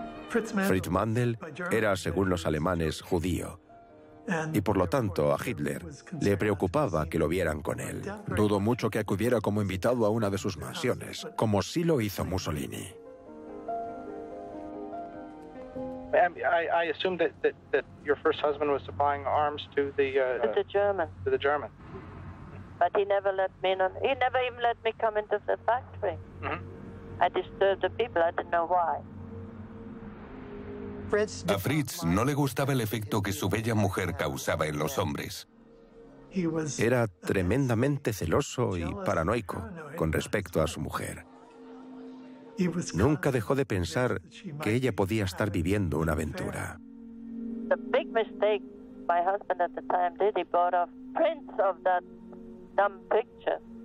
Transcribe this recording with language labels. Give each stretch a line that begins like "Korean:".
Spanish: Fritz Mandl era, según los alemanes, judío. Y por lo tanto, a Hitler le preocupaba que lo vieran con él. Dudo mucho que acudiera como invitado a una de sus mansiones, como sí lo hizo Mussolini.
English: I assume that your first husband was supplying arms to the German. But he never let me in. He never even let me come into the factory. Mm-hmm. I disturbed the people, I didn't know why.
Spanish: A Fritz no le gustaba el efecto que su bella mujer causaba en los hombres. Era tremendamente celoso y paranoico con respecto a su mujer. Nunca dejó de pensar que ella podía estar viviendo una aventura.
English: The big mistake my husband at the time did, he bought off prints of that dumb picture.